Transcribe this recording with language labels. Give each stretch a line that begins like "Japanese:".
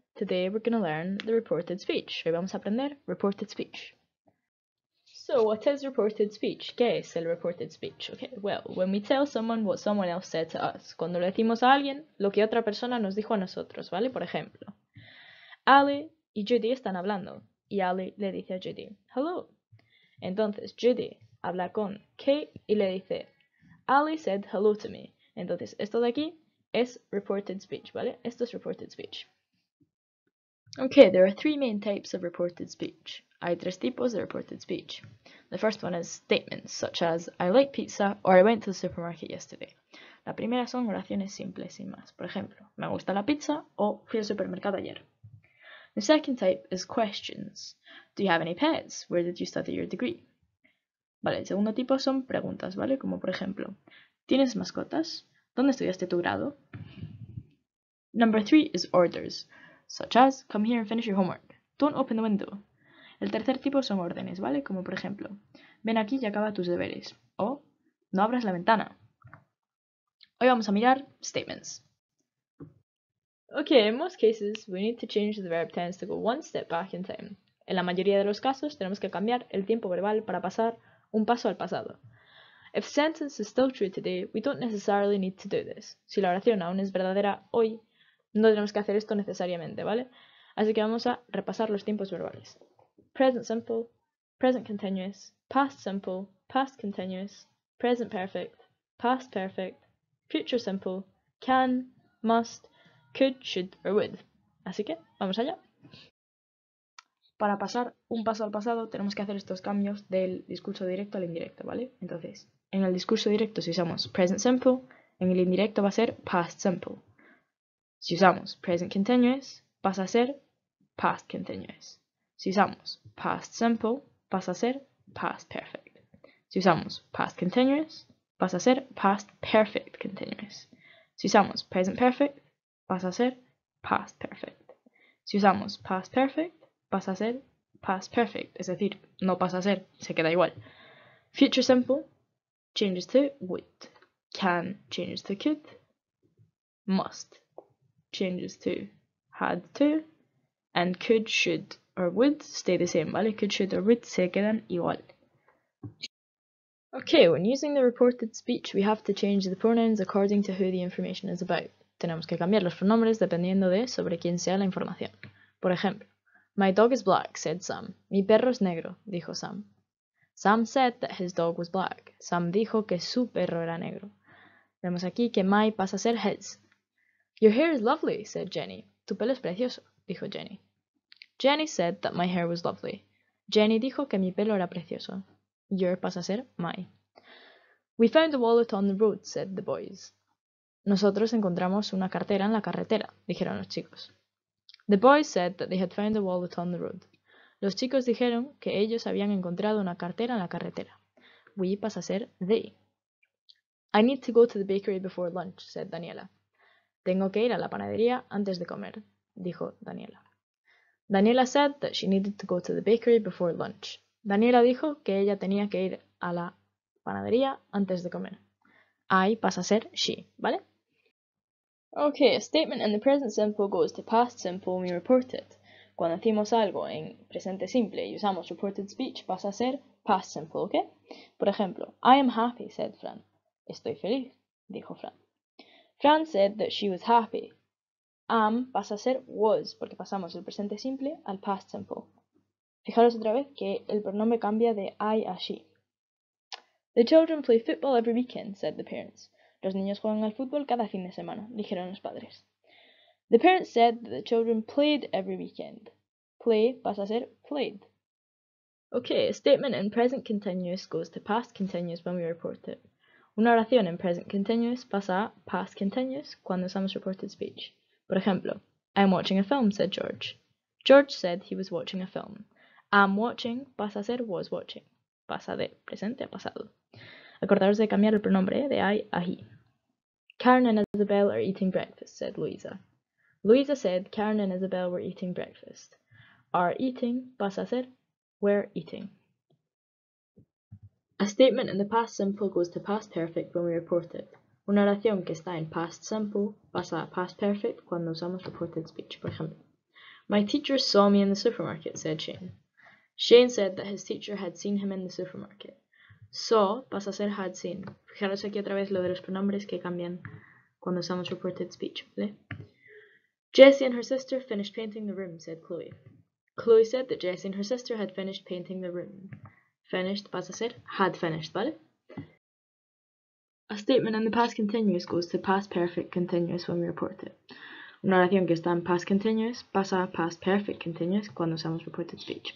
English: Today we're going to learn the reported speech.
Spanish: Hoy vamos a aprender reported speech.
English: So, what is reported speech?
Spanish: ¿Qué es el reported speech?
English: Okay, well, when we tell someone what someone else said to us.
Spanish: Cuando le decimos a alguien lo que otra persona nos dijo a nosotros, ¿vale? Por ejemplo, Ali y Judy están hablando. Y Ali le dice a Judy, hello. Entonces, Judy habla con Kate y le dice,
English: Ali said hello to me.
Spanish: Entonces, esto de aquí es reported speech, ¿vale? Esto es reported speech.
English: Okay, there are three main types of reported speech.
Spanish: Hay tres tipos de reported speech.
English: The first one is statements, such as I like pizza or I went to the supermarket yesterday.
Spanish: La primera son oraciones simples, sin más. Por ejemplo, me gusta la pizza o fui al supermercado ayer.
English: The second type is questions. Do you have any pets? Where did you study your degree?
Spanish: Vale, el segundo tipo son preguntas, ¿vale? Como por ejemplo, ¿tienes mascotas? ¿Dónde estudiaste tu grado?
English: Number three is orders, such as, come here and finish your homework. Don't open the window.
Spanish: El tercer tipo son órdenes, ¿vale? Como por ejemplo, ven aquí y acaba tus deberes. O, no abras la ventana. Hoy vamos a mirar statements.
English: Okay, in most cases, we need to change the verb tense to go one step back in time.
Spanish: En la mayoría de los casos, tenemos que cambiar el tiempo verbal para pasar un paso al pasado.
English: If the sentence is still true today, we don't necessarily need to do this.
Spanish: Si la oración aún es verdadera hoy, no tenemos que hacer esto necesariamente, ¿vale? Así que vamos a repasar los tiempos verbales.
English: Present simple, present continuous, past simple, past continuous, present perfect, past perfect, future simple, can, must, could, should, or would.
Spanish: Así que, vamos allá. Para pasar un paso al pasado, tenemos que hacer estos cambios del discurso directo al indirecto, ¿vale? Entonces, en el discurso directo, si usamos present simple, en el indirecto va a ser past simple. Si usamos present continuous, pasa a ser past continuous. Si usamos past simple, pasa a ser past perfect. Si usamos past continuous, pasa a ser past perfect continuous. Si usamos present perfect, pasa a ser past perfect. Si usamos past perfect, pasa a ser past perfect, es decir, no pasa a ser, se queda igual.
English: Future simple changes to would. Can changes to could. Must changes to had to. And could, should, or would stay the same, ¿vale? Could, should, or would
Spanish: se quedan igual.
English: Okay, when using the reported speech, we have to change the pronouns according to who the information is about.
Spanish: Tenemos que cambiar los pronombres dependiendo de sobre quién sea la información. Por ejemplo,
English: my dog is black, said Sam.
Spanish: Mi perro es negro, dijo Sam.
English: Sam said that his dog was black.
Spanish: Sam dijo que su perro era negro. Vemos aquí que my pasa a ser his.
English: Your hair is lovely, said Jenny.
Spanish: Tu pelo es precioso, dijo Jenny.
English: Jenny said that my hair was lovely.
Spanish: Jenny dijo que mi pelo era precioso. Your pasa a ser my.
English: We found a wallet on the road, said the boys.
Spanish: Nosotros encontramos una cartera en la carretera, dijeron los chicos.
English: The boys said that they had found a wallet on the road.
Spanish: Los chicos dijeron que ellos habían encontrado una cartera en la carretera.
English: We
Spanish: pasa a ser
English: they. I need to go to the bakery before lunch, said Daniela.
Spanish: Tengo que ir a la panadería antes de comer, dijo Daniela.
English: Daniela said that she needed to go to the bakery before lunch.
Spanish: Daniela dijo que ella tenía que ir a la panadería antes de comer. I pasa a ser she, ¿vale?
English: Okay, a statement in the present simple goes to past simple when we report it.
Spanish: Cuando decimos algo en presente simple y usamos reported speech, pasa a ser past simple, ¿ok? Por ejemplo,
English: I am happy, said Fran.
Spanish: Estoy feliz, dijo Fran.
English: Fran said that she was happy.
Spanish: Am pasa a ser was, porque pasamos del presente simple al past simple. Fijaros otra vez que el pronombre cambia de I a she.
English: The children play football every weekend, said the parents.
Spanish: Los niños juegan al fútbol cada fin de semana, dijeron los padres.
English: The parents said that the children played every weekend. Play
Spanish: pasa a ser
English: played. Okay, a statement in present continuous goes to past continuous when we report it.
Spanish: Una oración en present continuous pasa a past continuous cuando usamos reported speech. Por ejemplo,
English: I'm watching a film, said George. George said he was watching a film.
Spanish: I'm watching pasa a ser was watching. Pasa de presente a pasado. Acordaros de cambiar el pronombre de I a he.
English: Karen and Isabel are eating breakfast, said Luisa. Luisa said Karen and Isabel were eating breakfast.
Spanish: Are eating pasa a ser were eating.
English: A statement in the past simple goes to past perfect when we report it.
Spanish: Una oración que está en past simple pasa a past perfect cuando usamos reported speech, por ejemplo.
English: My teacher saw me in the supermarket, said Shane. Shane said that his teacher had seen him in the supermarket.
Spanish: Saw pasa a ser had seen. Fijaros aquí otra vez lo de los pronombres que cambian cuando usamos reported speech, ¿vale?
English: Jessie and her sister finished painting the room, said Chloe. Chloe said that Jessie and her sister had finished painting the room. Finished
Spanish: pasa a ser
English: had finished, ¿vale? A statement in the past continuous goes to past perfect continuous when we report it.
Spanish: Una oración que está en past continuous pasa a past perfect continuous cuando usamos reported speech.